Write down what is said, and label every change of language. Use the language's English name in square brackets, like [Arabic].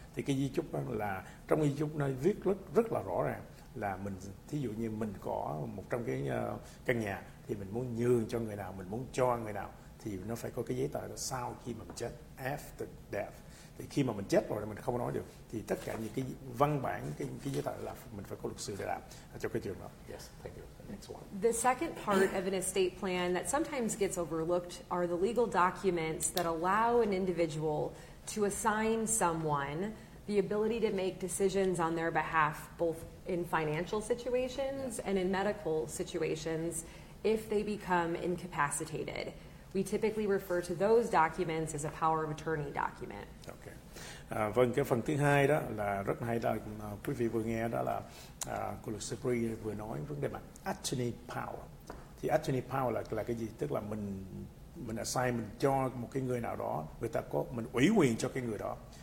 [Vietnamese] Thì cái di chúc đó là trong di chúc nó viết rất là rõ ràng là mình, thí dụ như mình có một trong cái căn nhà thì mình muốn nhường cho người nào, mình muốn cho người nào thì nó phải có cái giấy tờ đó sau khi mình chết, [English] after death. [Vietnamese] Thì khi mà mình chết rồi mình không nói được thì tất cả những cái văn bản cái giấy tờ là mình phải có luật sư để làm cho cái trường đó. [English] Yes, thank you. The second part of an estate plan that sometimes gets overlooked are the legal documents that allow an individual to assign someone the ability to make decisions on their behalf, both in financial situations and in medical situations, if they become incapacitated. We typically refer to those documents as a power of attorney document. Okay. [Vietnamese] Vâng, cái phần thứ hai đó là rất hay đó, quý vị vừa nghe đó là cô luật sư Brie vừa nói vấn đề mà attorney power. Thì attorney power là cái gì? Tức là mình assign, mình cho một cái người nào đó, người ta có, mình ủy quyền cho cái người đó.